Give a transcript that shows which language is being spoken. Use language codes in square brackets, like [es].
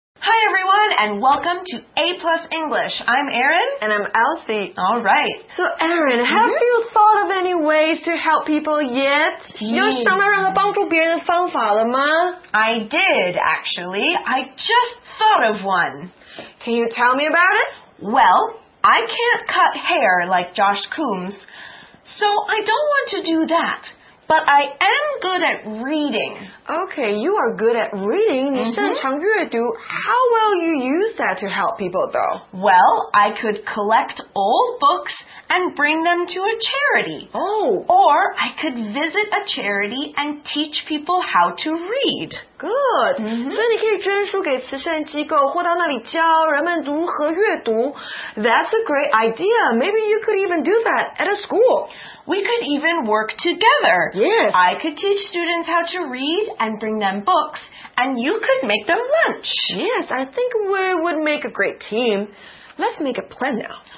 [en] Hi, everyone, and welcome to A-Plus English. I'm Erin. And I'm Elsie. All right. So, Erin, have you thought of any ways to help people yet? [zh] 有想到任何帮助别人的方法了吗? [en] I did, actually. I just thought of one. Can you tell me about it? Well, I can't cut hair like Josh Coombs, so I don't want to do that. But I am good at reading. Okay, you are good at reading. [zh] 你擅长阅读。 [en] How will you use that to help people, though? Well, I could collect old books and bring them to a charity. Oh. Or I could visit a charity and teach people how to read. Good. [zh] So, 你可以捐书给慈善机构，或到那里教人们如何阅读。 [en] That's a great idea. Maybe you could even do that at a school. We could even work together. Yes. I could teach students how to read and bring them books, and you could make them lunch. Yes, I think we would make a great team. Let's make a plan now.